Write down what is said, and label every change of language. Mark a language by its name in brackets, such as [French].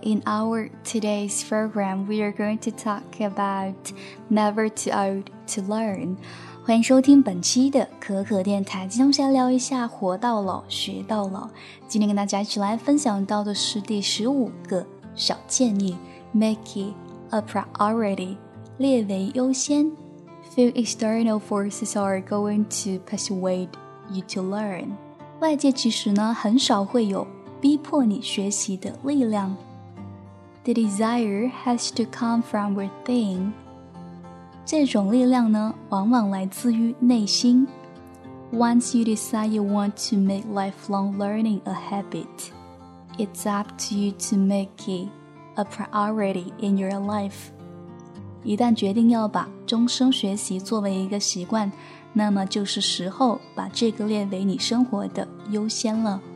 [English] In our today's program, we are going to talk about Never Too Old to Learn. [Chinese] 欢迎收听本期的可可电台。今天我们先聊一下活到老学到老。今天跟大家一起来分享到的是第15个小建议 , [English] Make it a priority, [Chinese] 列为优先。 [English] Few external forces are going to persuade you to learn. [Chinese] 外界其实呢很少会有逼迫你学习的力量。 [English] The desire has to come from within. [Chinese] 这种力量呢往往来自于内心。 [English] Once you decide you want to make lifelong learning a habit, it's up to you to make it a priority in your life. [Chinese] 一旦决定要把终生学习作为一个习惯，那么就是时候把这个列为你生活的优先了。